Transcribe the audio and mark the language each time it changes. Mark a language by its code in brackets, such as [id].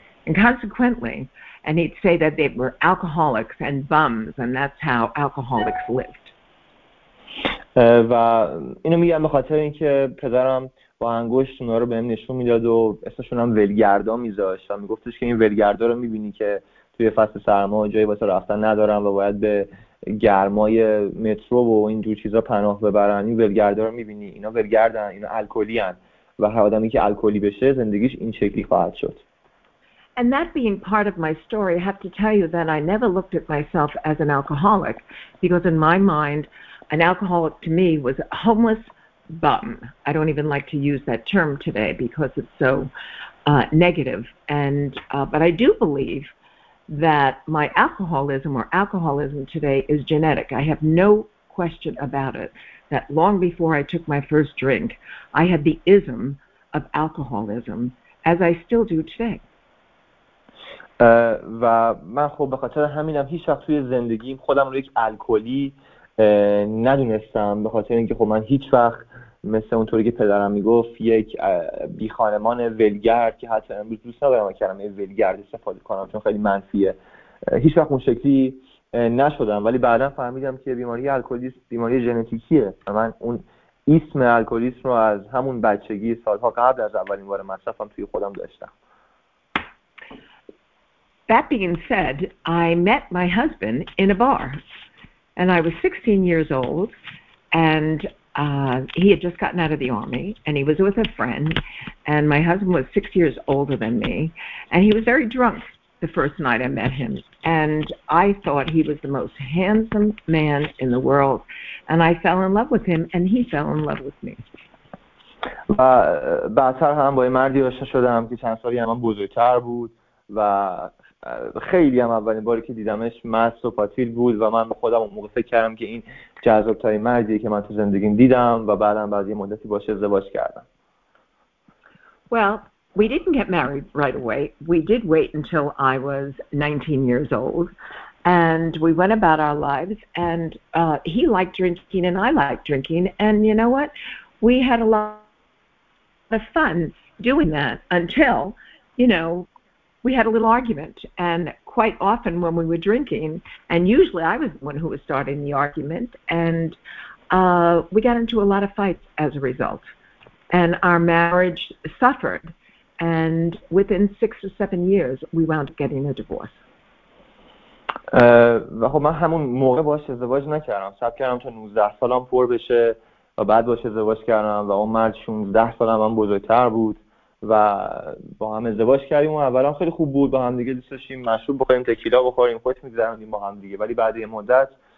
[en] And consequently, and he'd say that they were alcoholics and bums, and that's how alcoholics lived. [fa] و اینو میگم به خاطر اینکه پدرم با انگشت اونا رو بهم نشون میداد و اسمشون هم ولگردا میذاشت و میگفتش که این ولگردا رو میبینی که توی فصل سرما جایی واسه رفتن ندارن و باید به گرمای مترو و این جور چیزا پناه ببرن. این ولگردا رو می‌بینی، اینا ولگردن، اینا الکلی‌ان و هر آدمی که الکلی بشه زندگیش این شکلی خواهد شد. [en] And that being part of my story, I have to tell you that I never looked at myself as an alcoholic because in my mind an alcoholic to me was a homeless bum. I don't even like to use that term today because it's so negative and but I do believe that my alcoholism or alcoholism today is genetic. I have no question about it, that long before I took my first drink, I had the ism of alcoholism, as I still do today. [fa] و من خب به خاطر همینم هیچ وقت توی زندگیم خودم رو یک الکلی ندونستم، به خاطر اینکه خب من هیچ وقت مثل اونطوری که پدرم میگفت یک بی خانمان ولگرد که حتی امروز دوست ندارم کلمه ولگرد استفاده کنم چون خیلی منفیه، هیچ وقت اون شکلی نشدم. ولی بعدا فهمیدم که بیماری الکلیسم بیماری ژنتیکیه و من اون اسم الکلیسم رو از همون بچگی سالها قبل از اولین بار مصرفم توی خودم داشتم. [en] That being said, I met my husband in a bar and I was 16 years old and he had just gotten out of the army and he was with a friend and my husband was 6 years older than me and he was very drunk the first night I met him and I thought he was the most handsome man in the world and I fell in love with him and he fell in love with me. [fa] بعدتر هم با یه مردی آشنا شدم که چند سالی از من بزرگتر بود و خیلی هم اولین باری که دیدمش مست و پاتیل بود و من خودم اون موقع فکر کردم که این جذاب‌ترین مردیه که من تو زندگیم دیدم و بعدم بعد یه مدتی باشه ازدواج کردم. [en] Well, we didn't get married right away. We did wait until I was 19 years old. And we went about our lives, and he liked drinking, and I liked drinking, and you know what? We had a lot of fun doing that until, you know, we had a little argument. And quite often when we were drinking, and usually I was the one who was starting the argument, and we got into a lot of fights as a result. And our marriage suffered, and within 6 or 7 years, we wound up getting a divorce. [fa] و خب من همون موقع باش ازدواج نکردم، صبر کردم تا 19 سالم پر بشه و بعد باش ازدواج کردم و اون مرد 16 سالم من بزرگتر بود و با هم ازدواج کردیم و اولا خیلی خوب بود، با هم دیگه دوست داشتیم، مشروب بخوریم، تکیلا بخوریم، خوش می‌گذروندیم با هم دیگه، ولی بعد یه مدت